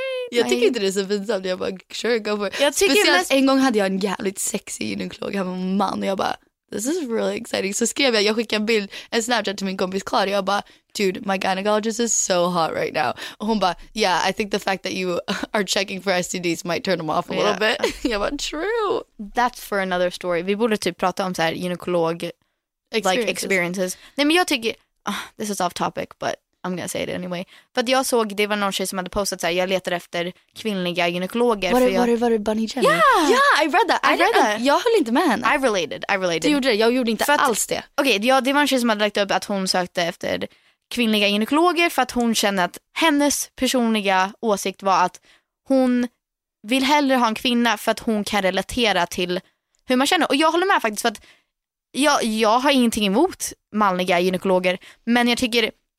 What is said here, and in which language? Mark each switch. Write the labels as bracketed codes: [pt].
[sv] Jag tycker inte det är så pinsamt. Jag bara, [en] sure, go for it. [sv] Jag tycker speciellt en gång hade jag en jävligt sexy gynekolog. Han var en man och jag bara, [en] this is really exciting. [sv] Så skrev jag skickade en bild, en Snapchat till min kompis Claudia. Jag bara, [en] dude, my gynecologist is so hot right now. [sv] Och hon bara, [en] yeah, I think the fact that you are checking for STDs might turn them off a little bit. [sv] Jag bara, true. [en] That's for another story. [sv] Vi borde typ prata om så här gynekolog [en] experiences. [sv] Nej, men jag tycker, [en] this is off topic, but I'm gonna say it anyway. [sv] För jag såg, det var någon tjej som hade postat så här, jag letar efter kvinnliga gynekologer. Var det Bunny Jenny? [en] Yeah, I read that. [sv] Jag höll inte med henne. [en] I related. [sv] Du gjorde det, jag gjorde inte för alls det. Okej, det var en tjej som hade lagt upp att hon sökte efter kvinnliga gynekologer för att hon kände att hennes personliga åsikt var att hon vill hellre ha en kvinna för att hon kan relatera till hur man känner. Och jag håller med faktiskt, för att jag har ingenting emot manliga gynekologer, men jag tycker...